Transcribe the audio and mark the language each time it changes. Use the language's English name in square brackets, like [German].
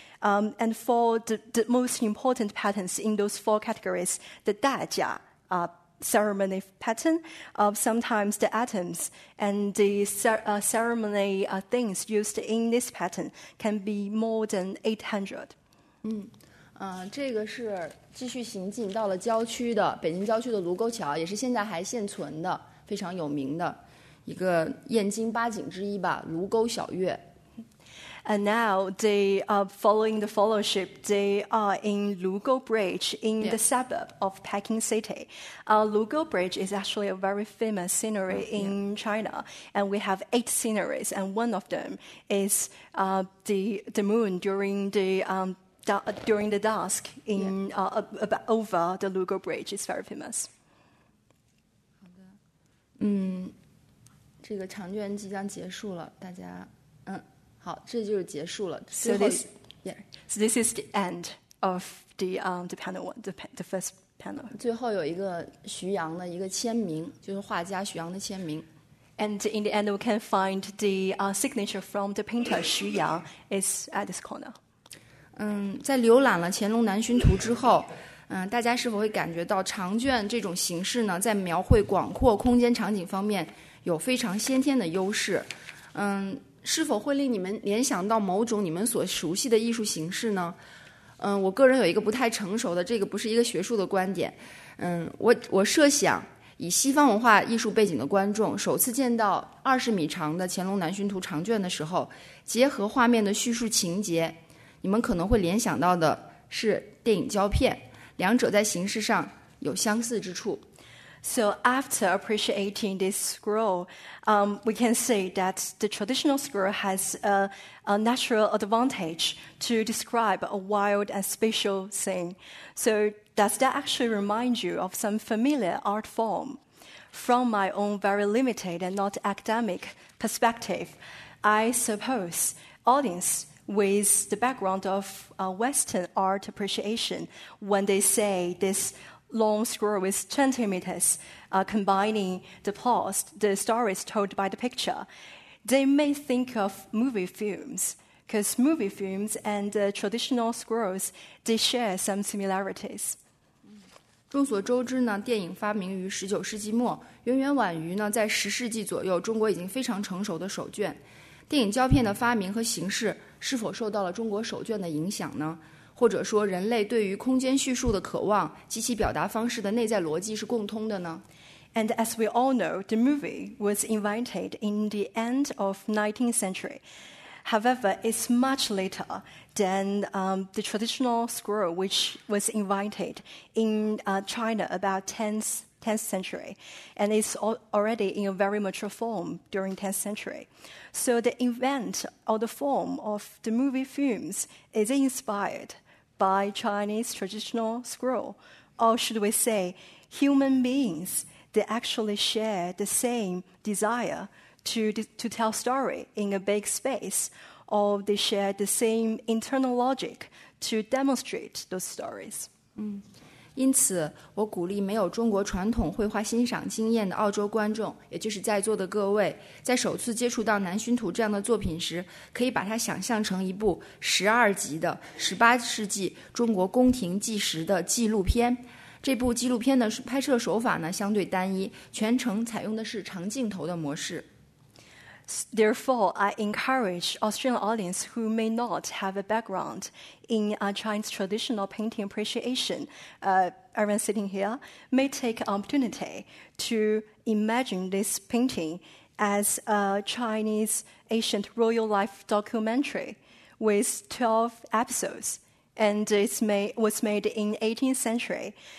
[English] And for the most important patterns in those four categories, the 大驾 ceremony pattern, sometimes the items and the ceremony things used in this pattern can be more than 800. [Chinese] 这个是继续行进到了郊区的北京郊区的卢沟桥，也是现在还现存的非常有名的一个燕京八景之一吧，卢沟晓月。 [English] And now they are following the fellowship. They are in Lugou Bridge in the suburb of Peking City. Lugou Bridge is actually a very famous scenery in China. And we have 8 sceneries. And one of them is the moon during the during the dusk in over the Lugou Bridge. It's very famous. [Chinese] 这个长卷即将结束了，大家，好，这就是结束了。 [English] So this is the end of the panel one, the first panel. [Chinese] 最后有一个徐阳的一个签名，就是画家徐阳的签名。 [English] And in the end, we can find the signature from the painter 徐阳 is at this corner. [Chinese] 在浏览了《乾隆南巡图》之后。大家是否会感觉到长卷这种形式呢，在描绘广阔空间场景方面有非常先天的优势？是否会令你们联想到某种你们所熟悉的艺术形式呢？我个人有一个不太成熟的，这个不是一个学术的观点。我设想，以西方文化艺术背景的观众首次见到20米长的《乾隆南巡图》长卷的时候，结合画面的叙述情节，你们可能会联想到的是电影胶片。两者在形式上有相似之处。 [English] So after appreciating this scroll, we can see that the traditional scroll has a natural advantage to describe a wild and special scene. So does that actually remind you of some familiar art form? From my own very limited and not academic perspective, I suppose audience. With the background of Western art appreciation, when they say this long scroll is 20 meters, combining the plot, the stories told by the picture, they may think of movie films, because movie films and traditional scrolls, they share some similarities. [Chinese] 众所周知呢，电影发明于19世纪末，远远晚于呢，在10世纪左右，中国已经非常成熟的手卷。电影胶片的发明和形式是否受到了中国手卷的影响呢？或者说，人类对于空间叙述的渴望及其表达方式的内在逻辑是共通的呢？ [English] And as we all know, the movie was invented in the end of 19th century. However, it's much later than the traditional scroll, which was invented in China about 10th century, and it's already in a very mature form during 10th century. So the event or the form of the movie films is inspired by Chinese traditional scroll, or should we say, human beings, they actually share the same desire to tell story in a big space, or they share the same internal logic to demonstrate those stories. [Chinese] 因此，我鼓励没有中国传统绘画欣赏经验的澳洲观众，也就是在座的各位，在首次接触到《南巡图》这样的作品时，可以把它想象成一部12集的18世纪中国宫廷纪实的纪录片。这部纪录片的拍摄手法呢，相对单一，全程采用的是长镜头的模式。 [English] Therefore, I encourage Australian audience who may not have a background in Chinese traditional painting appreciation, everyone sitting here, may take an opportunity to imagine this painting as a Chinese ancient royal life documentary with 12 episodes, and it was made in 18th century.